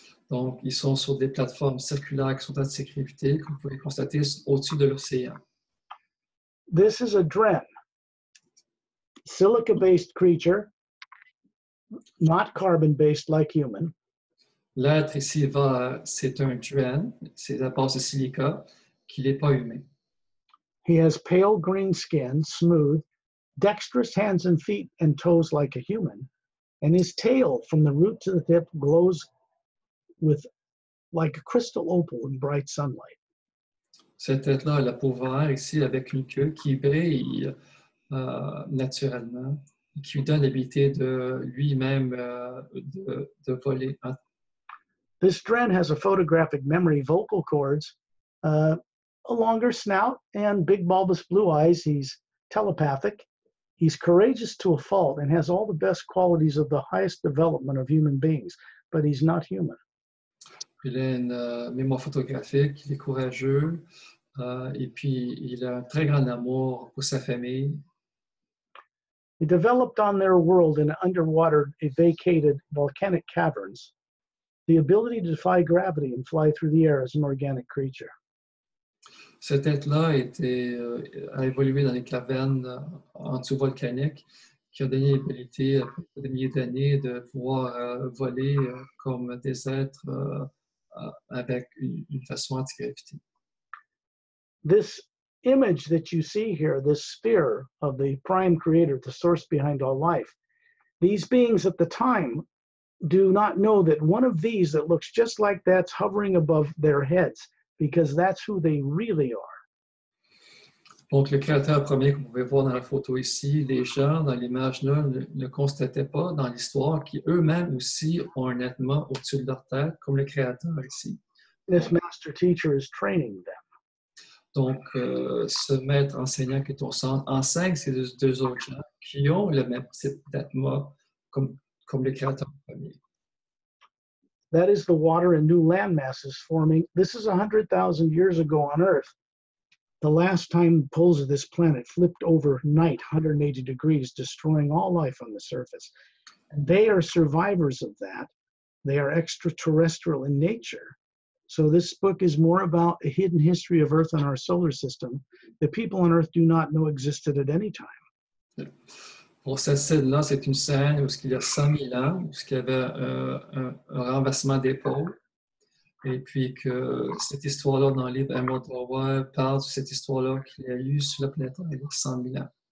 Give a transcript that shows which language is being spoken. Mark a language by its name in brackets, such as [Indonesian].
[French] Donc, ils sont sur des plateformes circulaires qui sont anti-gravitées, que vous pouvez constater au-dessus de l'océan. [English] This is a dren, silica-based creature, not carbon-based like human. [French] L'être ici va, c'est un dren, c'est à base de silica, qui n'est pas humain. [English] He has pale green skin, smooth, dexterous hands and feet and toes like a human, and his tail from the root to the tip glows with like a crystal opal in bright sunlight. [French] Cette tête-là a la peau verte ici avec une queue qui brille naturellement, qui lui donne l'habilité de lui-même de voler. [English] This dren has a photographic memory, vocal cords, a longer snout, and big bulbous blue eyes. He's telepathic, He's courageous to a fault and has all the best qualities of the highest development of human beings, but he's not human. [French] Il a une mémoire photographique, il est courageux, et puis il a un très grand amour pour sa famille. [English] He developed on their world in underwater, vacated volcanic caverns, the ability to defy gravity and fly through the air as an organic creature. [French] Cet être-là a évolué dans les cavernes en dessous volcaniques qui ont donné l'habilité après des milliers d'années de pouvoir voler comme des êtres avec une façon anti-gravité. [English] This image that you see here, this sphere of the prime creator, the source behind all life, these beings at the time do not know that one of these that looks just like that's hovering above their heads. Because that's who they really are. [French] Donc le créateur premier que vous pouvez voir dans la photo ici, les gens dans l'image là ne constataient pas dans l'histoire qui eux-mêmes aussi ont un Atma au-dessus de leur tête comme le créateur ici. [English] This master teacher is training them. [French] Donc ce maître enseignant qui est au centre enseigne ces deux autres gens qui ont le même type d'Atma comme le créateur premier. [English] That is the water and new land masses forming. This is 100,000 years ago on Earth, the last time the poles of this planet flipped overnight 180 degrees, destroying all life on the surface. And they are survivors of that. They are extraterrestrial in nature. So this book is more about a hidden history of Earth and our solar system that people on Earth do not know existed at any time. Yeah. [French] Pour cette scène-là, c'est une scène où il y a 100 000 ans, où il y avait un renversement des pôles. Et puis que cette histoire-là dans le livre Immortal parle de cette histoire-là qu'il y a eu sur la planète il y a 100 000 ans.